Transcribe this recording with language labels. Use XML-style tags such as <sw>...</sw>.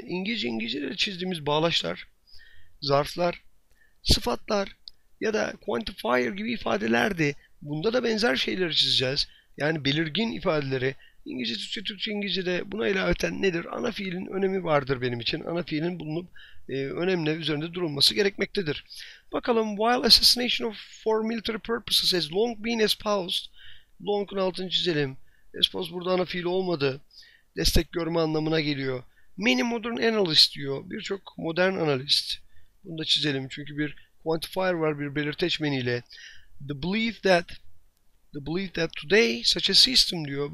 <tr>İngilizce ile çizdiğimiz bağlaçlar, zarflar, sıfatlar ya da quantifier gibi ifadelerdi. Bunda da benzer şeyleri çizeceğiz. Yani belirgin ifadeleri. İngilizce Türkçe, Türkçe İngilizce'de buna ilaveten nedir? Ana fiilin önemi vardır benim için. Ana fiilin bulunup önemli üzerinde durulması gerekmektedir. Bakalım</tr> <en>while assassination of for military purposes has long been espoused.</en> <tr>Long'un altını çizelim. Espoused burada ana fiil olmadı. Destek görme anlamına geliyor.</tr> <en>Many modern analysts</en> <tr>diyor. Birçok modern analist. Bunu da çizelim çünkü bir quantifier var bir belirteç meniyle.</tr> <en>The belief that today such a system</en> <tr>diyor.</tr>